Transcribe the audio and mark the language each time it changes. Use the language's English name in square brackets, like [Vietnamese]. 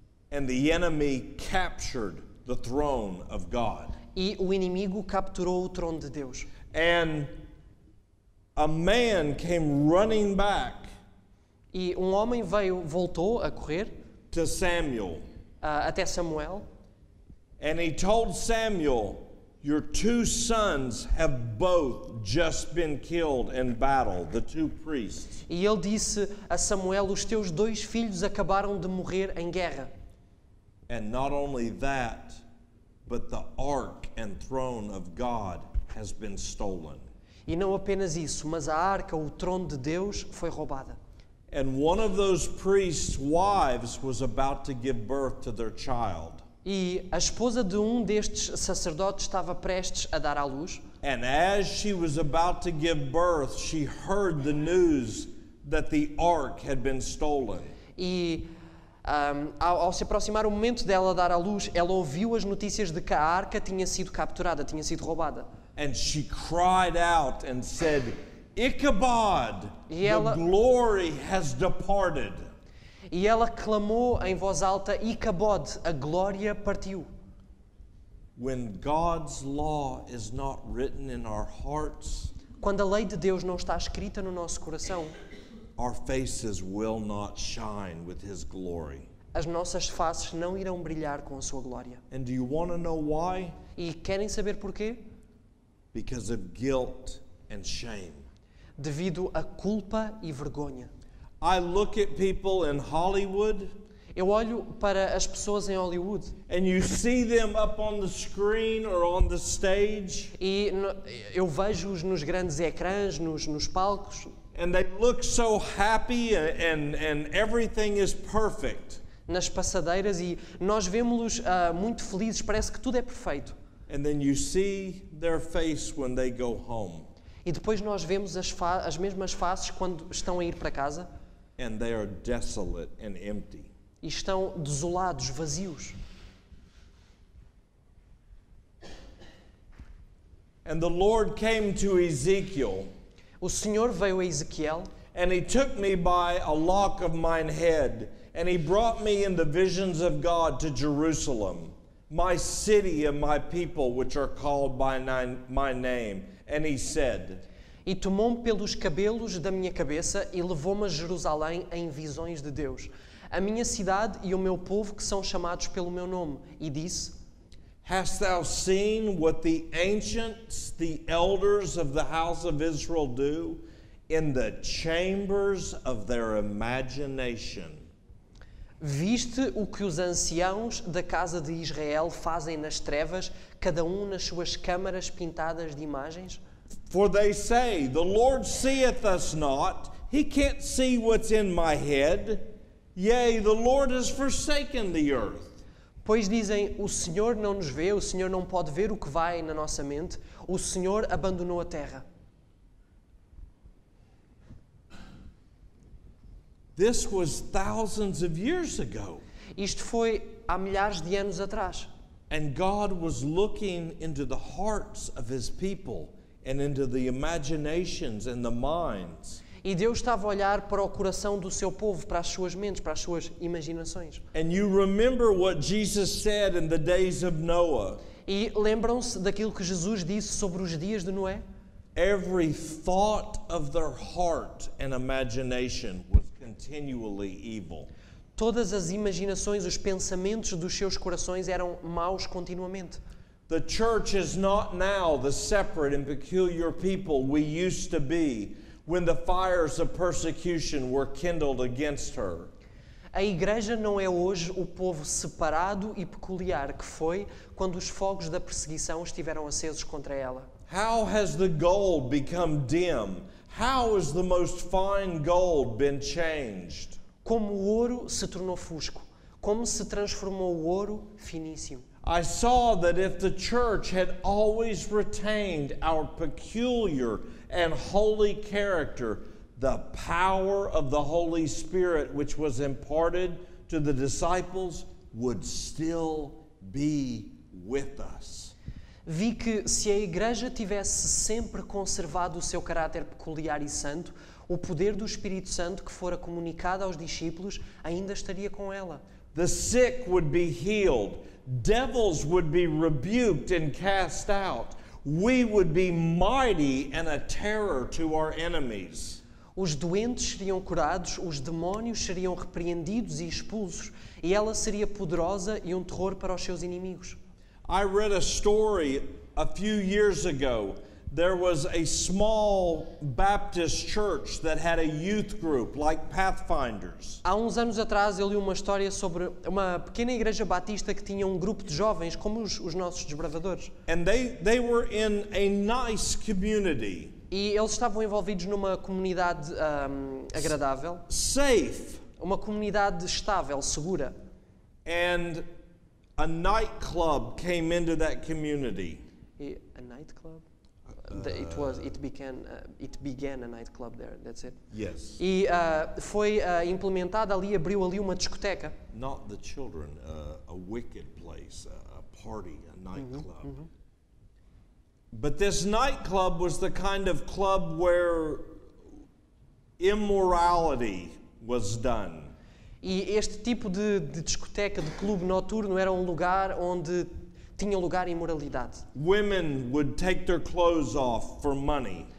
[English] And the enemy captured the throne of God. [Portuguese] E o inimigo capturou o trono de Deus. [English] And a man came running back. [Portuguese] E um homem veio, voltou a correr. [English] To Samuel. [Portuguese] Até Samuel. [English] And he told Samuel, "Your two sons have both just been killed in battle, the two priests." [Portuguese] E ele disse a Samuel, "Os teus dois filhos acabaram de morrer em guerra." [English] And not only that, but the ark and throne of God has been stolen. [Portuguese] E não apenas isso, mas a arca, o trono de Deus, foi roubada. [English] And one of those priests' wives was about to give birth to their child. [Portuguese] E a esposa de um destes sacerdotes estava prestes a dar à luz. [English] And as she was about to give birth, she heard the news that the ark had been stolen. [Portuguese] E ao se aproximar o momento dela dar à luz, ela ouviu as notícias de que a arca tinha sido capturada, tinha sido roubada. [English] And she cried out and said, "Ichabod, the glory has departed." [Portuguese] E ela clamou em voz alta, "Ichabod, a glória partiu." [English] When God's law is not written in our hearts, [Portuguese] quando a lei de Deus não está escrita no nosso coração, [English] our faces will not shine with his glory. [Portuguese] As nossas faces não irão brilhar com a sua glória. [English] And do you want to know why? [Portuguese] E querem saber porquê? [English] Because of guilt and shame. [Portuguese] Devido à culpa e vergonha. [English] I look at people in Hollywood. [Portuguese] Eu olho para as pessoas em Hollywood. [English] And you see them up on the screen or on the stage. [Portuguese] E eu vejo-os nos grandes ecrãs, nos palcos. [English] And they look so happy and everything is perfect. [Portuguese] Nas passadeiras e nós vemos-los muito felizes, parece que tudo é perfeito. [English] And then you see their face when they go home. [Portuguese] E depois nós vemos as mesmas faces quando estão a ir para casa. [English] And they are desolate and empty. [Portuguese] E estão desolados, vazios. [English] And the Lord came to Ezekiel. [Portuguese] O Senhor veio a Ezequiel. [English] And he took me by a lock of mine head, and he brought me in the visions of God to Jerusalem, my city and my people which are called by my name. And he said, [Portuguese] e tomou-me pelos cabelos da minha cabeça e levou-me a Jerusalém em visões de Deus, a minha cidade e o meu povo que são chamados pelo meu nome, e disse, [English] "Hast thou seen what the ancients, the elders of the house of Israel do in the chambers of their imagination?" [Portuguese] Viste o que os anciãos da casa de Israel fazem nas trevas, cada um nas suas câmaras pintadas de imagens? [English] "For they say, 'The Lord seeth us not; he can't see what's in my head. Yea, the Lord has forsaken the earth.'" [Portuguese] Pois dizem, "O Senhor não nos vê, o Senhor não pode ver o que vai na nossa mente, o Senhor abandonou a terra." [English] This was thousands of years ago. [Portuguese] Isto foi há milhares de anos atrás. [English] And God was looking into the hearts of his people and into the imaginations and the minds. [Portuguese] E Deus estava a olhar para o coração do seu povo, para as suas mentes, para as suas imaginações. [English] And you remember what Jesus said in the days of Noah. [Portuguese] E lembram-se daquilo que Jesus disse sobre os dias de Noé? [English] Every thought of their heart and imagination was continually evil. [Portuguese] Todas as imaginações, os pensamentos dos seus corações eram maus continuamente. [English] The church is not now the separate and peculiar people we used to be when the fires of persecution were kindled against her. [Portuguese] A igreja não é hoje o povo separado e peculiar que foi quando os fogos da perseguição estiveram acesos contra ela. [English] How has the gold become dim? How has the most fine gold been changed? [Portuguese] Como o ouro se tornou fusco? Como se transformou o ouro finíssimo? [English] I saw that if the church had always retained our peculiar and holy character, the power of the Holy Spirit which was imparted to the disciples would still be with us. [Portuguese] Vi que se a Igreja tivesse sempre conservado o seu caráter peculiar e santo, o poder do Espírito Santo que fora comunicado aos discípulos ainda estaria com ela. [English] The sick would be healed, devils would be rebuked and cast out. We would be mighty and a terror to our enemies. [Portuguese] Os doentes seriam curados, os demónios seriam repreendidos e expulsos, e ela seria poderosa e um terror para os seus inimigos. [English] I read a story a few years ago. There was a small Baptist church that had a youth group like Pathfinders. [Portuguese] Há uns anos atrás eu li uma história sobre uma pequena igreja batista que tinha um grupo de jovens como os nossos desbravadores. [English] And they were in a nice community. [Portuguese] E eles estavam envolvidos numa comunidade agradável. [English] Safe. [Portuguese] Uma comunidade estável, segura. [English] And a nightclub came into that community. A nightclub? It began a nightclub there. That's it. Yes. [Portuguese] E foi implementada ali, abriu ali uma discoteca. [English] Not the children, a wicked place, a party, a nightclub. Mm-hmm. But this nightclub was the kind of club where immorality was done. [Portuguese] E este tipo de discoteca, de clube noturno, era um lugar onde tinha lugar imoralidade. [English] Women would take their clothes off for money.